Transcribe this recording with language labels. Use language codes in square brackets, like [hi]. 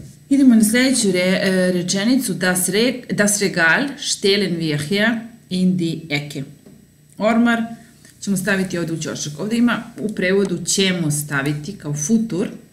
[sr] Idemo na sljedeću rečenicu. [de] Das Regal stellen wir hier in die Ecke. [sr] Ormar. Ćemo staviti ovdje u ćošak. Ovdje ima u prevodu ćemo staviti kao futur.